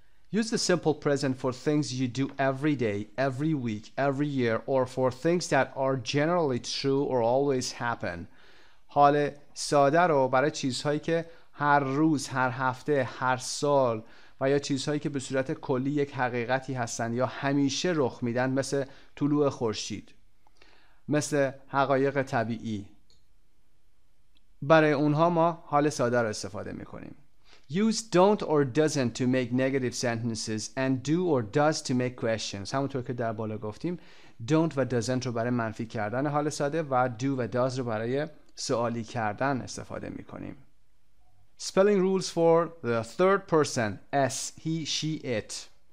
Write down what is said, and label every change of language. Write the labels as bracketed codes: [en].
[en] Use the simple present for things you do every day, every week, every year, or for things that are generally true or always happen. [fa] حال ساده رو برای چیزهایی که هر روز، هر هفته، هر سال و یا چیزهایی که به صورت کلی یک حقیقتی هستن یا همیشه رخ میدن مثل طلوع خورشید، مثل حقایق طبیعی. برای اونها ما حال ساده رو استفاده میکنیم. [en] Use don't or doesn't to make negative sentences and do or does to make questions. [fa] همونطور که در بالا گفتیم don't و doesn't رو برای منفی کردن حال ساده و do و does رو برای سوالی کردن استفاده می کنیم. [en] Spelling rules for the third person s, he, she, it.